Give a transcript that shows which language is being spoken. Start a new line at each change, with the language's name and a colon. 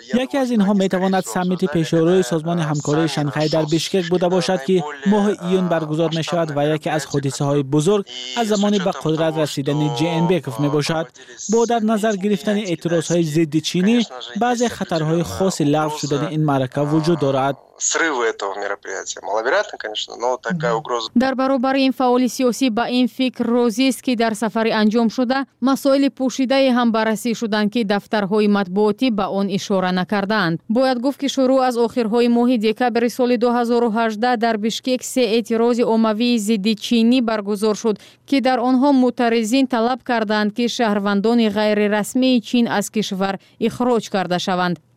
Tajik: Яке аз инҳо метавонад саммити пешоруи созмони ҳамкории Шанхай дар Бишкек буда бошад, ки моҳи июн баргузор мешавад ва яке аз ҳодисаҳои бузург аз замони ба қудрат расидани Жээнбеков мебошад. Бо дар назар гирифтани эътирозҳои зидди чинӣ, баъзе хатарҳои хоси лағв шудани ин маърака вуҷуд дорад.
Russian: Срыву этого мероприятия маловероятно, конечно, но такая угроза.
Tajik: Дар баробари ин фаъоли сиёсӣ ба ин фикр розист, ки дар сафари анҷом шуда, масоили пӯшидае ҳам баррасӣ шуданд, ки дафтарҳои матбуотӣ ба он ишора накардаанд. Бояд гуфт, ки шурӯъ аз охирҳои моҳи декабри соли 2018 дар Бишкек се эътирози оммавии зидди чинӣ баргузор шуд, ки дар онҳо мутаризин талаб карданд, ки шаҳрвандони ғайрирасмии Чин аз кишвар ихроҷ карда шаванд.